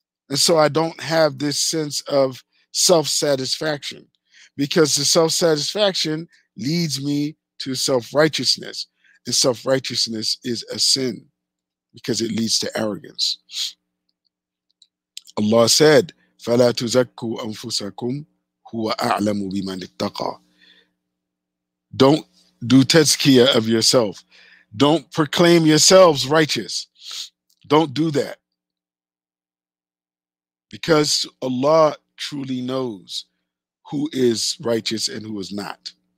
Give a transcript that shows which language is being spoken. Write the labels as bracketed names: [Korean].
[English] And so I don't have this sense of self-satisfaction, because the self-satisfaction leads me to self-righteousness, and self-righteousness is a sin because it leads to arrogance. [Arabic] Allah said, فَلَا تُزَكُّوا أَنفُسَكُمْ هُوَ أَعْلَمُ بِمَنِ اتَّقَى. [English] Don't do tazkiyah of yourself. Don't proclaim yourselves righteous. Don't do that. Because Allah truly knows who is righteous and who is not.